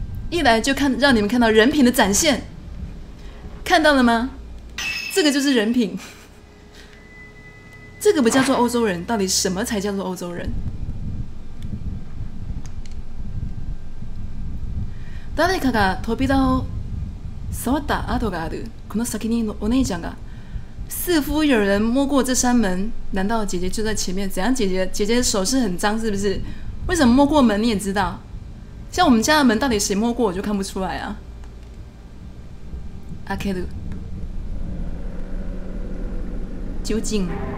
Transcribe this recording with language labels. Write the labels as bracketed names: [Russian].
[Chinese] 一来就看让你们看到人品的展现，看到了吗？这个就是人品，这个不叫做欧洲人，到底什么才叫做欧洲人？ [Japanese] 誰かが扉を触った跡がある。この先にお姉ちゃんが。 [Chinese] 似乎有人摸过这扇门，难道姐姐就在前面？怎样？姐姐，姐姐的手是很脏是不是？为什么摸过门你也知道？像我们家的门到底谁摸过我就看不出来啊。阿凯鲁，究竟？